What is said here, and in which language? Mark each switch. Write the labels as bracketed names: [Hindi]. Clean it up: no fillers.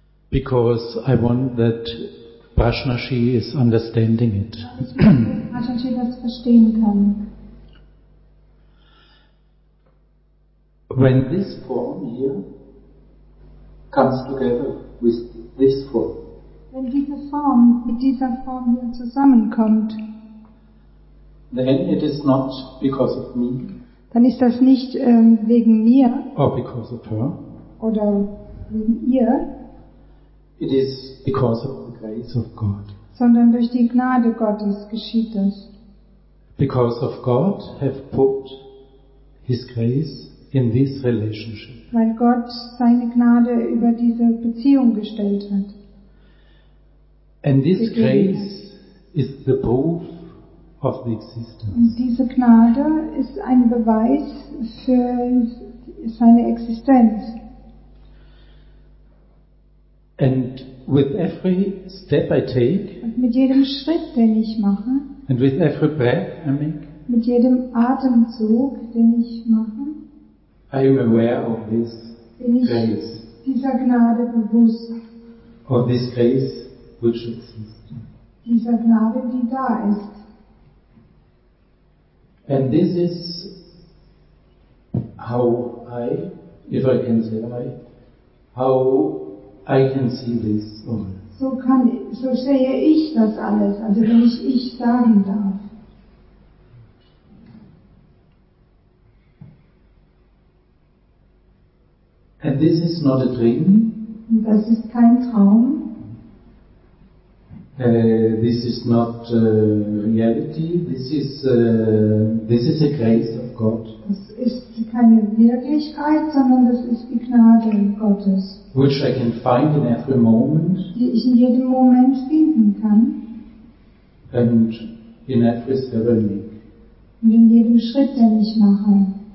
[English] Because I want that Prashnashi is understanding it. [German] Prashnashi das verstehen kann. [English] When this form here comes together with this form. [German] Wenn diese Form mit dieser Form hier zusammenkommt. [English] Then it is not because of me. [German] Dann ist das nicht wegen mir. [English] Or because of her. [German] Oder wegen ihr. [English] It is because of the grace of God. [German] Sondern durch die Gnade Gottes geschieht das. [English] Because of God have put His grace in this relationship. [German] Weil Gott seine Gnade über diese Beziehung gestellt hat. [English] And this grace is the proof of the existence. [German] Und diese Gnade ist ein Beweis für seine Existenz. [English] And with every step I take, [German] und mit jedem Schritt, den ich mache, [English] and with every breath I make, [German] mit jedem Atemzug, den ich mache, [English] I am aware of this [German] bin ich [English] grace, [German] dieser Gnade bewusst, [English] of this grace which exists, [German] dieser Gnade, die da ist. [English] And this is how I, if I can say I, how I can see this. [German] So sehe ich das alles, also wenn ich sagen darf. [English] And this is not a dream. [German] Und das ist kein Traum. [English] This is not reality. This is a grace of God. [German] Das ist keine Wirklichkeit, sondern das ist die Gnade Gottes, [English] which I can find in every moment, [German] die ich in jedem Moment finden kann, [English] and in every step I make, [German] und in jedem Schritt, den ich mache.